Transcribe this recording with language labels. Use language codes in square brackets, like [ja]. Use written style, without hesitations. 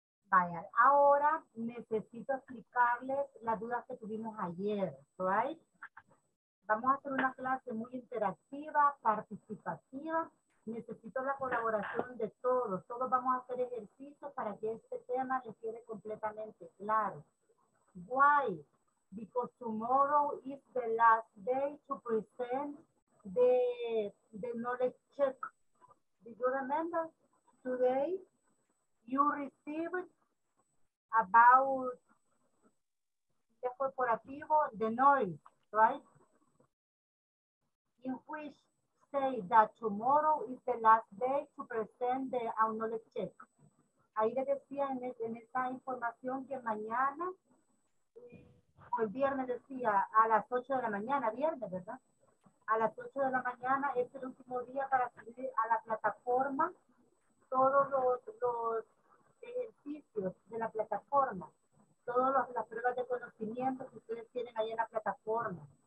[es] Vaya, ahora necesito explicarles las dudas que tuvimos ayer, right? Vamos a hacer una clase muy interactiva, participativa. Necesito la colaboración de todos. Todos vamos a hacer ejercicios para que este tema les quede completamente claro. [en] Why? Because tomorrow is the last day to present the knowledge check. Do you remember? Today you received about the corporativo, the knowledge, right? In which say that tomorrow is the last day to present the knowledge check. [es] Ahí les decía en esta información que mañana, el viernes decía, a las 8 de la mañana, viernes, ¿verdad? A las 8 de la mañana es el último día para subir a la plataforma todos los ejercicios de la plataforma, todas las pruebas de conocimiento que ustedes tienen ahí en la plataforma.